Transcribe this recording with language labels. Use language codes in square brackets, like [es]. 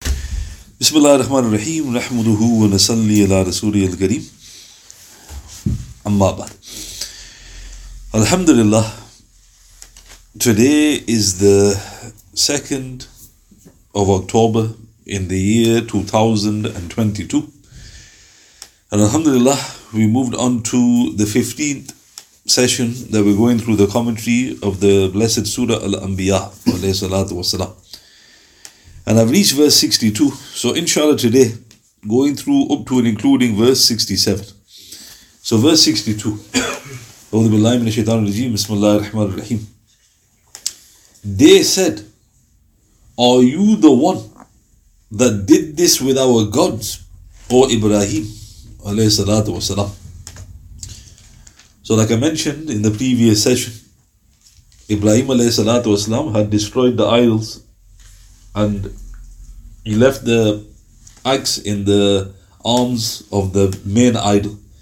[ar] بسم اللہ الرحمن الرحیم نحمدہ ونصلی علی رسول الکریم اما بعد الحمدللہ [en] today is the 2nd of October in the year 2022 and الحمدللہ we moved on to the 15th session that we're going through the commentary of the blessed Surah Al-Anbiya alayhi salatu wasalam. And I've reached verse 62. So inshallah today, going through up to and including verse 67. So verse 62. [ar] أعوذ بالله من الشيطان الرجيم بسم الله الرحمن الرحيم. [en] They said, are you the one that did this with our gods, O Ibrahim [ar] عليه الصلاة والسلام. [en] So like I mentioned in the previous session, Ibrahim [ar] عليه الصلاة والسلام [en] had destroyed the idols and he left the axe in the arms of the main idol.